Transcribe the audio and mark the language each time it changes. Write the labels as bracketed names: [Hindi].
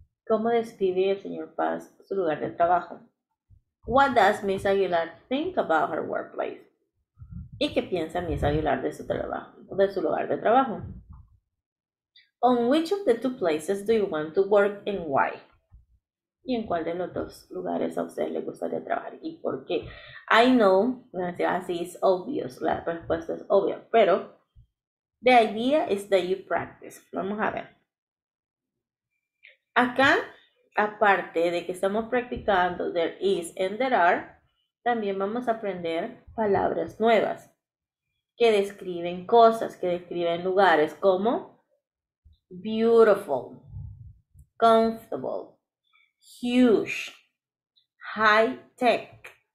[Spanish] ¿Cómo describe el señor Paz su lugar de trabajo? [English] What does Ms. Aguilar think about her workplace? [Spanish] ¿Y qué piensa Ms. Aguilar de su trabajo, de su lugar de trabajo? [English] On which of the two places do you want to work and why? [Spanish] ¿Y en cuál de los dos lugares a usted le gustaría trabajar y por qué? [English] I know, [Spanish] así es obvio, la respuesta es obvia, pero [English] the idea is that you practice. [Spanish] Vamos a ver. Acá, aparte de que estamos practicando there is and there are, también vamos a aprender palabras nuevas que describen cosas, que describen lugares como beautiful, comfortable, huge, high tech.